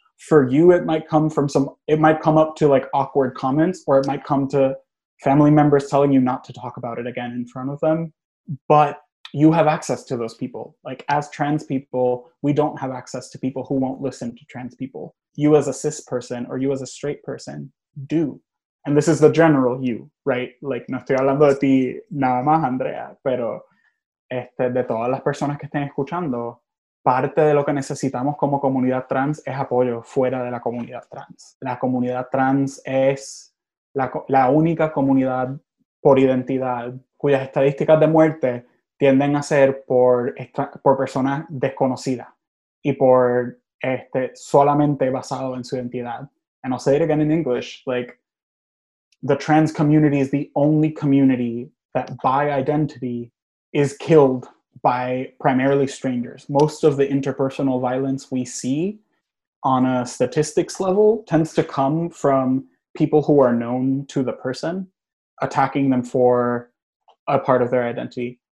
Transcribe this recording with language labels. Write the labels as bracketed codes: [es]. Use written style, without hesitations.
[en] For you, it might come from some, it might come up to, like, awkward comments, or it might come to family members telling you not to talk about it again in front of them. But you have access to those people. Like, as trans people, we don't have access to people who won't listen to trans people. You as a cis person or you as a straight person do. And this is the general you, right? [es] Like, no estoy hablando de ti nada más, Andrea, pero de todas las personas que estén escuchando, parte de lo que necesitamos como comunidad trans es apoyo fuera de la comunidad trans. La comunidad trans es la única comunidad por identidad cuyas estadísticas de muerte tienden a ser por personas desconocidas y por solamente basado en su identidad. [en] And I'll say it again in English, like, the trans community is the only community that by identity is killed by primarily strangers. Most of the interpersonal violence we see on a statistics level tends to come from people who are known to the person attacking them for a part of their identity.